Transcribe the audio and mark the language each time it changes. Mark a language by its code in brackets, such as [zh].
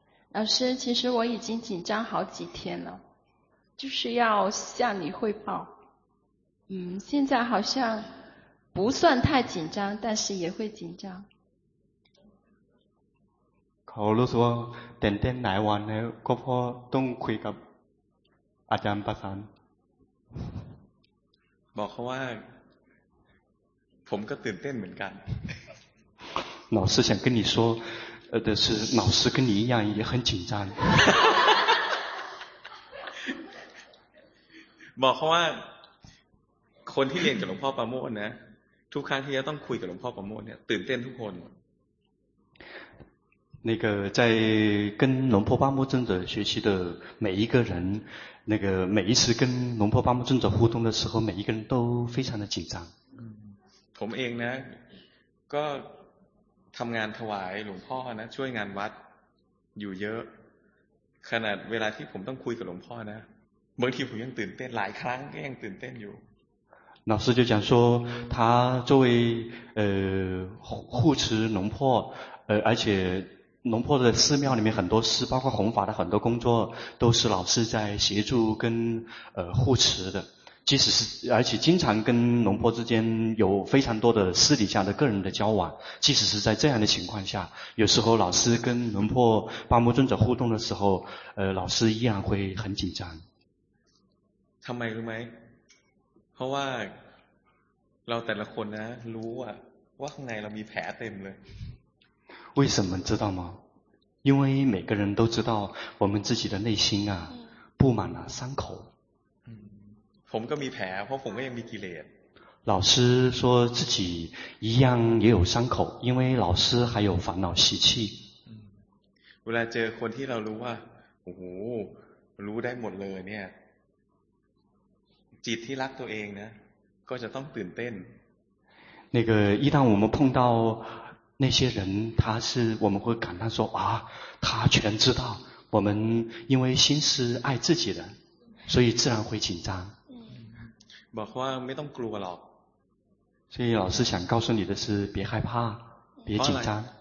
[zh] 老师其实我已经紧张好几天了就是要向你汇报现在好像不算太紧张但是也会紧张 [th] เขารู้สึกว่าเต้นเต้นหลายวันแล้วก็พอต้องคุยกับอาจารย์ประสาน บอกเขาว่าผมก็ตื่นเต้นเหมือนกัน [zh] 老师想跟你说的是老师跟你一样也很紧张 [th] บอกเขาว่าคนที่เรียนกับหลวงพ่อประโมทนะทุกครั้งที่จะต้องคุยกับหลวงพ่อประโมทเนี่ยตื่นเต้นทุกคน [zh] 那个在跟龙婆巴木尊者学习的每一个人，那个每一次跟龙婆巴木尊者互动的时候，每一个人都非常的紧张。 [th] ผมเองนะก็ทำงานถวายหลวงพ่อนะช่วยงานวัดอยู่เยอะขนาดเวลาที่ผมต้องคุยกับหลวงพ่อนะบางทีผมยังตื่นเต้นหลายครั้งก็ยังตื่นเต้นอยู่ [zh] 老师就讲说他作为护持龙婆而且龙婆的寺庙里面很多事包括弘法的很多工作都是老师在协助跟护持的即使是而且经常跟龙婆之间有非常多的私底下的个人的交往即使是在这样的情况下有时候老师跟龙婆巴木尊者互动的时候老师依然会很紧张他买了没 [th] เพราะว่าเราแต่ละคนนะรู้อะว่าข้างในเรามีแผลเต็มเลย [zh] 为什么知道吗因为每个人都知道我们自己的内心啊布满了伤口 [th] ผมก็มีแผลเพราะผมก็ยังมีกิเลส [zh] 老师说自己一样也有伤口因为老师还有烦恼习气 [th] เวลาเจอคนที่เรารู้ว่าโอ้โหรู้ได้หมดเลยเนี่ยจิตที่รักตัวเองนะก็จะต้องตื่นเต้น [zh] 那个一旦我们碰到那些人他是我们会感叹说啊他全知道我们因为心是爱自己的所以自然会紧张 [th] บอกว่าไม่ต้องกลัวหรอก [zh] 所以老师想告诉你的是别害怕别紧张